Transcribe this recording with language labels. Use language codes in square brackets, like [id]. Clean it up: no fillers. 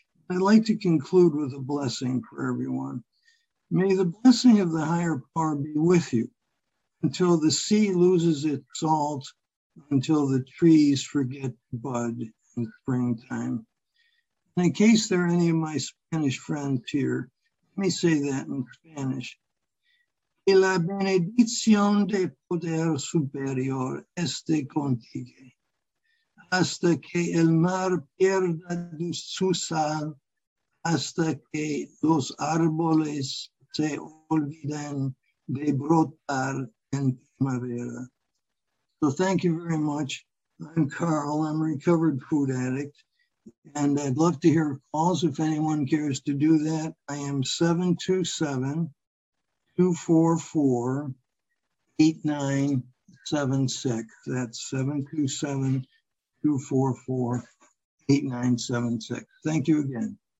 [en] I'd like to conclude with a blessing for everyone. May the blessing of the higher power be with you until the sea loses its salt, until the trees forget to bud in springtime. In case there are any of my Spanish friends here, let me say that in Spanish. [es] Que la bendición de poder superior esté contigo hasta que el mar pierda su sal, hasta que los árboles se olviden de brotar en primavera. [en] So thank you very much. I'm Carl. I'm a recovered food addict. And I'd love to hear calls if anyone cares to do that. I am 727-244-8976. That's 727-244-8976. Thank you again.